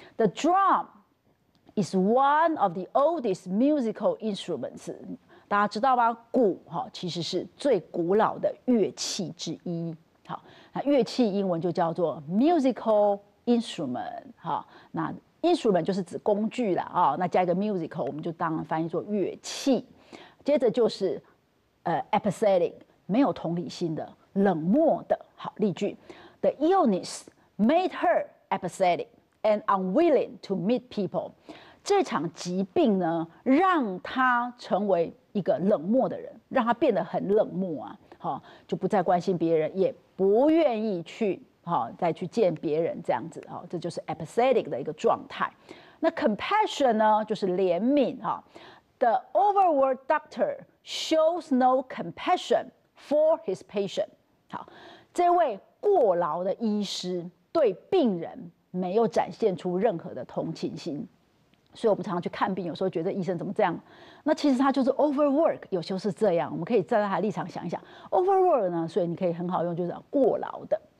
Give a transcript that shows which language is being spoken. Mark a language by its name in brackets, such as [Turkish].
[English] The drum is one of the oldest musical instruments。 [Chinese] 大家知道吗？鼓其实是最古老的乐器之一。好，那乐器英文就叫做 musical instrument。好，那 instrument 就是指工具啦，那加一个 musical 我们就当然翻译做乐器。接着就是apathetic， 没有同理心的，冷漠的。 [English] 好，例句 ：The illness made her apathetic and unwilling to meet people。 [Chinese] 这场疾病呢，让她成为一个冷漠的人，让她变得很冷漠啊，就不再关心别人，也不愿意去再去见别人这样子，这就是 apathetic 的一个状态。那 compassion 呢，就是怜悯啊。 [English] The overworked doctor shows no compassion for his patient。 [Chinese] 好，这位过劳的医师对病人没有展现出任何的同情心，所以我们常常去看病，有时候觉得医生怎么这样，那其实他就是 overwork， 有时候是这样。我们可以站在他的立场想一想 overwork 呢，所以你可以很好用，就是过劳的。